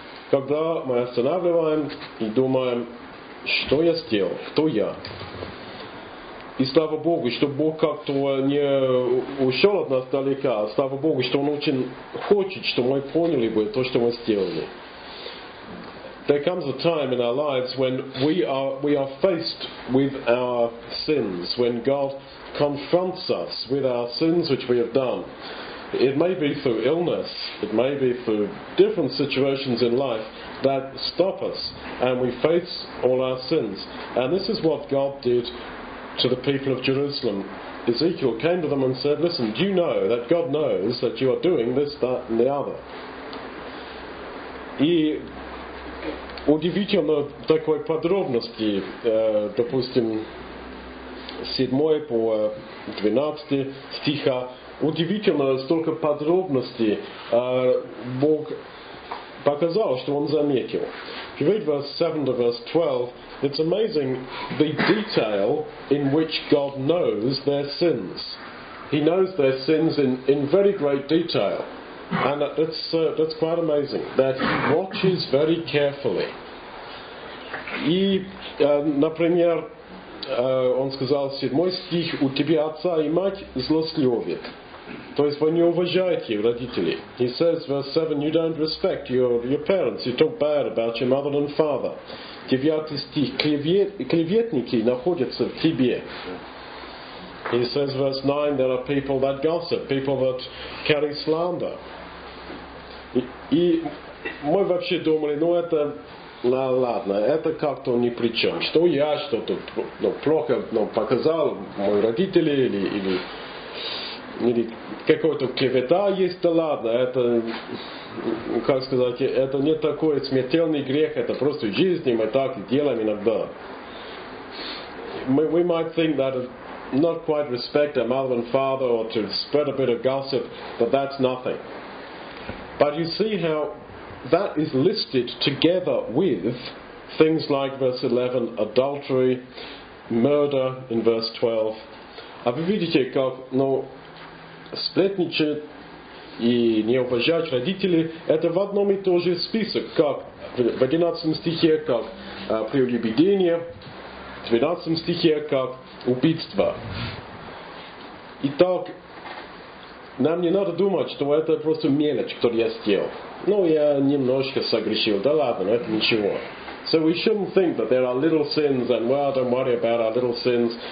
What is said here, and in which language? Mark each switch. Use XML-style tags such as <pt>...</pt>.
<ru>Когда мы останавливаем и думаем, что я сделал, кто я. И слава Богу, что Бог как-то не ушел от нас далека, а слава Богу, что Он очень хочет, что мы поняли бы то, что мы сделали.</ru> <en>There comes a time in our lives when we are faced with our sins, when God confronts us with our sins which we have done. It may be through illness, it may be through different situations in life that stop us, and we face all our sins. And this is what God did to the people of Jerusalem. Ezekiel came to them and said, listen, do you know that God knows that you are doing this, that, and the other?</en> <ru>И удивительно такой подробности, допустим, 7 по 12 стиха, удивительно столько подробностей Бог показал, что Он заметил.</ru> <en>If you read verse 7 to verse 12, it's amazing the detail in which God knows their sins. He knows their sins in very great detail. And that's quite amazing, that he watches very carefully.</en> <ru>И, например, он сказал, 7 стих, у тебя отца и мать злословит. То есть вы не уважаете родителей.</ru> <en>He says, verse 7, you don't respect your parents, you talk bad about your mother and father.</en> <ru>9 стих, клеветники находятся в тебе.</ru> <en>He says, verse 9, there are people that gossip, people that carry slander.</en> <ru>И мы вообще думали, ну это, ну ладно, это как-то ни при чем. Что я, что тут, ну, плохо, ну, показал мои родители, или какой-то клевета есть, да ладно, это, как сказать, это не такой смертельный грех, это просто жизнь, мы так и делаем иногда.</ru> <en>We might think that not quite respect our mother and father, or to spread a bit of gossip, but that's nothing. But you see how that is listed together with things like verse 11, adultery, murder in verse 12.</en> <ru>А вы видите, как, ну, сплетничать и не уважать родителей, это в одном и том же список, как в 11 стихе, как прелюбодеяние, в 12 стихе, как убийство. Итак, нам не надо думать, что это просто мелочь, которую я сделал. Ну, я немножко согрешил. Да ладно, но это ничего.</ru> <en>So we shouldn't think that there are little sins and, well, don't worry about our little sins.</en>